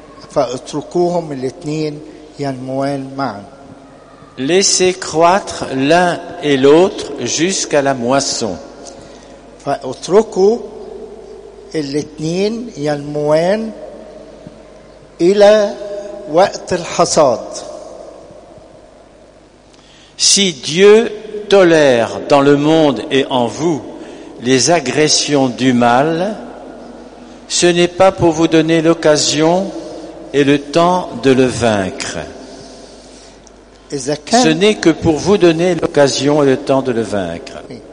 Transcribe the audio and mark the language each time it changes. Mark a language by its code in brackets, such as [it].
[ar] فاتركوهم الاثنين ينموان معا. [fr] Laissez croître l'un et l'autre jusqu'à la moisson. [ar] فاتركوا الاثنين ينموان الى وقت الحصاد. [fr] Si Dieu tolère dans le monde et en vous les agressions du mal, ce n'est pas pour vous donner l'occasion et le temps de le vaincre. Ce n'est que pour vous donner l'occasion et le temps de le vaincre.